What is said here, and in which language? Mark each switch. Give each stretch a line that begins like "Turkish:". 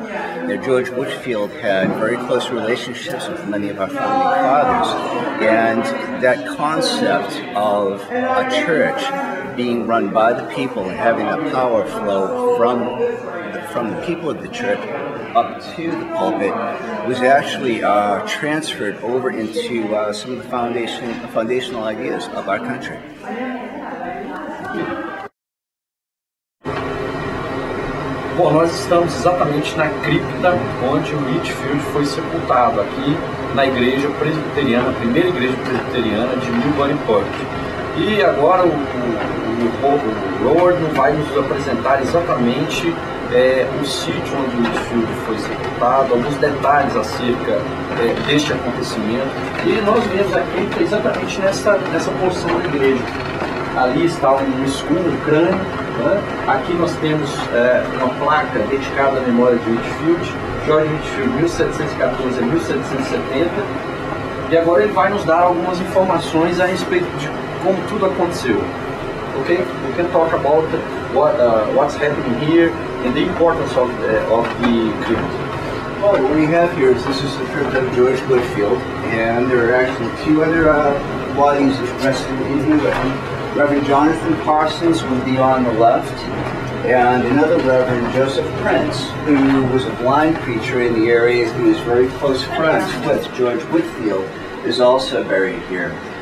English: Now, George Whitefield had very close relationships with many of our founding fathers, and that concept of a church being run by the people and having that power flow from the people of the church up to the pulpit was actually transferred over into some of the foundational ideas of our country.
Portuguese: Bom, nós estamos exatamente na cripta onde o Whitefield foi sepultado, aqui na igreja presbiteriana, a primeira igreja presbiteriana de Newburyport. E agora o Lord vai nos apresentar exatamente o sítio onde o Whitefield foi sepultado, alguns detalhes acerca deste acontecimento. E nós viemos aqui exatamente nessa porção da igreja. Ali está um escudo, um crânio. Aqui nós temos uma placa dedicada à memória de Whitefield, George Whitefield, 1714 a 1770. E agora ele vai nos dar algumas informações a respeito de como tudo aconteceu. Ok?
English: We can talk about what's happening here and the importance of the crypt. Well, what we have here is this is the crypt of George Whitefield, and there are actually two other bodies resting in here. Reverend Jonathan Parsons would be on the left, and another Reverend Joseph Prince, who was a blind preacher in the area, who is very close friends with George Whitefield, is also buried here.